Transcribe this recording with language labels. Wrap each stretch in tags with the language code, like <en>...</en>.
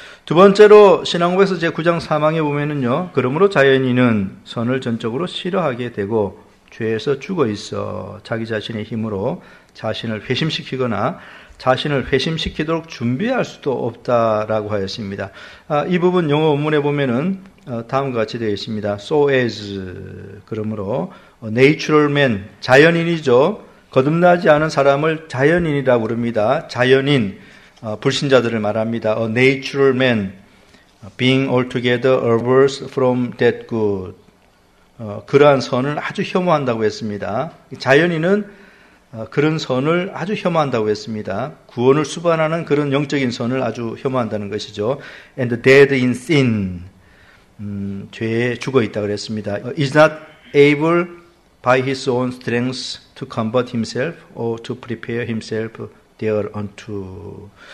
<ko>두 번째로 신앙고백서 제9장 4항에 보면은요. 그러므로 자연인은 선을 전적으로 싫어하게 되고 죄에서 죽어 있어 자기 자신의 힘으로 자신을 회심시키거나 자신을 회심시키도록 준비할 수도 없다라고 하였습니다. 이 부분 영어 원문에 보면은 다음과 같이 되어 있습니다.</ko> <en>So as,</en> <ko>그러므로</ko> <en>natural man,</en> <ko>자연인이죠. 거듭나지 않은 사람을 자연인이라고 부릅니다. 자연인, 불신자들을 말합니다.</ko> <en>A natural man, being altogether averse from that good.</en> <ko>그러한 선을 아주 혐오한다고 했습니다. 자연인은 그런 선을 아주 혐오한다고 했습니다. 구원을 수반하는 그런 영적인 선을 아주 혐오한다는 것이죠.</ko> <en>And dead in sin.</en> <ko>죄에 죽어 있다고 그랬습니다.</ko> <en>Is not able by his own strength to combat himself or to prepare himself thereunto.</en>